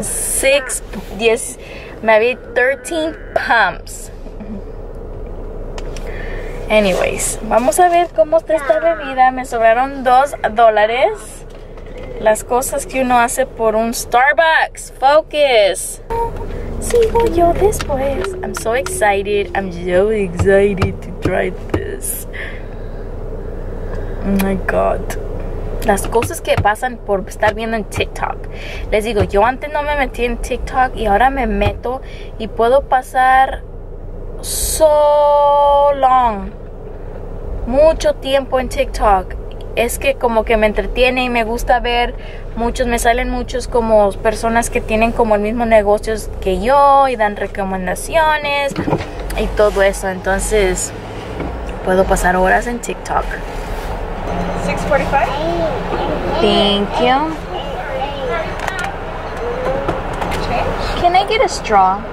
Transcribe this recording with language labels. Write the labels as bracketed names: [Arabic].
[Spanish] 6, 10. Me había 13 pumps. Anyways, vamos a ver cómo está esta bebida. Me sobraron $2. Las cosas que uno hace por un Starbucks. Focus. Sigo yo después. [English] I'm so excited. I'm so excited to try this. Oh my God. [Spanish] las cosas que pasan por estar viendo en TikTok. Les digo, yo antes no me metí en TikTok y ahora me meto y puedo pasar [English] so long, [Spanish] mucho tiempo en TikTok. Es que como que me entretiene y me gusta ver muchos, me salen muchos como personas que tienen como el mismo negocio que yo y dan recomendaciones y todo eso. Entonces, puedo pasar horas en TikTok. [English] 6:45. Thank you. Can I get a straw?